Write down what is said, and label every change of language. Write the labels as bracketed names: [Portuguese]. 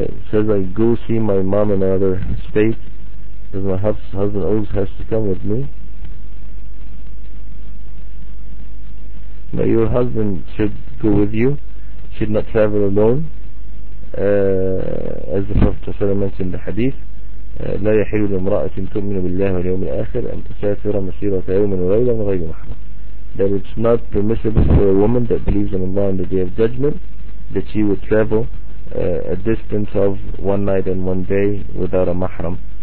[English] Says I go see my mom in another state. Because my husband always has to come with me. But your husband should go with you, should not travel alone. As the Prophet ﷺ mentioned the hadith, [Arabic] لا يحل لامرأة تؤمن بالله واليوم الآخر أن تسافر مسيرة يوم وليلة من غير محرم. [English] That it's not permissible for a woman that believes in Allah on the Day of Judgment that she would travel a distance of one night and one day without a mahram.